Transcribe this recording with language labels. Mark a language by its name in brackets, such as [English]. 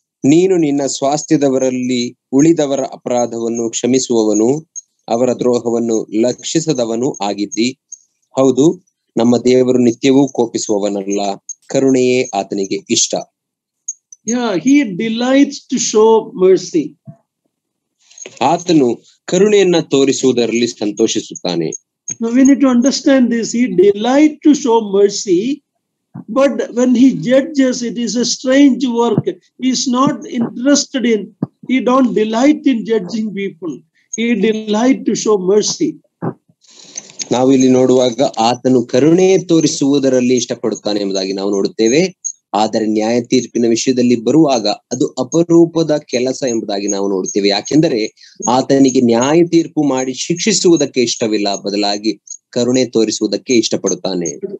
[Kannada] ನೀನು ನಿನ್ನ ಸ್ವಾಸ್ಥ್ಯದವರಲ್ಲಿ ಉಳಿದವರ ಅಪರಾಧವನ್ನು ಕ್ಷಮಿಸುವವನು, ಅವರ ದ್ರೋಹವನ್ನು ಲಕ್ಷಿಸದವನು ಆಗಿದ್ದಿ. ಹೌದು, ನಮ್ಮ ದೇವರು ನಿತ್ಯವೂ ಕೋಪಿಸುವವನಲ್ಲ, ಕರುಣೆಯೇ ಆತನಿಗೆ ಇಷ್ಟ. [English] Yeah, he delights to show mercy. [Kannada] ಆತನು ಕರುಣೆಯನ್ನ ತೋರಿಸುವುದರಲ್ಲಿ ಸಂತೋಷಿಸುತ್ತಾನೆ. [English] Now we need to understand this. He delight to show mercy, but when he judges, it is a strange work. He is not interested in, he don't delight in judging people. He delight to show mercy. [Kannada] ನಾವು ಇಲ್ಲಿ ನೋಡುವಾಗ ಆತನು ಕರುಣೆ ತೋರಿಸುವುದರಲ್ಲಿ ಇಷ್ಟಪಡುತ್ತಾನೆ ಎಂಬುದಾಗಿ ನಾವು ನೋಡುತ್ತೇವೆ. ಆದರೆ ನ್ಯಾಯ ತೀರ್ಪಿನ ವಿಷಯದಲ್ಲಿ ಬರುವಾಗ ಅದು ಅಪರೂಪದ ಕೆಲಸ ಎಂಬುದಾಗಿ ನಾವು ನೋಡುತ್ತೇವೆ. ಯಾಕೆಂದರೆ ಆತನಿಗೆ ನ್ಯಾಯ ತೀರ್ಪು ಮಾಡಿ ಶಿಕ್ಷಿಸುವುದಕ್ಕೆ ಇಷ್ಟವಿಲ್ಲ, ಬದಲಾಗಿ ಕರುಣೆ ತೋರಿಸುವುದಕ್ಕೆ ಇಷ್ಟಪಡುತ್ತಾನೆ.